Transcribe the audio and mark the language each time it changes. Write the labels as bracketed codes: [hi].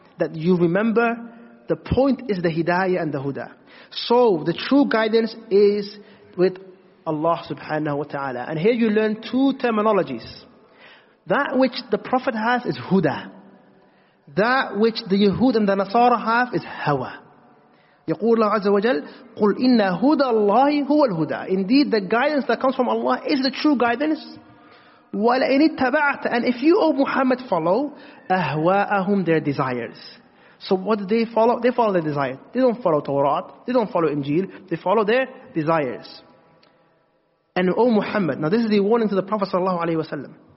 [en] That you remember, the point is the hidayah and the huda. So, the true guidance is with Allah subhanahu wa ta'ala. And here you learn two terminologies. That which the Prophet has is huda. That which the Yahud and the Nasara have is hawa. [ar] يقول الله عز وجل قل إن هدى الله هو الهدى. [en] Indeed, the guidance that comes from Allah is the true guidance. [ar] ولئن اتبعت, [en] and if you, O Muhammad, follow أهواءهم, their desires. So what do they follow? They follow their desires. They don't follow Torah. They don't follow Injil. They follow their desires. And O Muhammad, now this is the warning to the Prophet sallallahu alaihi wasallam.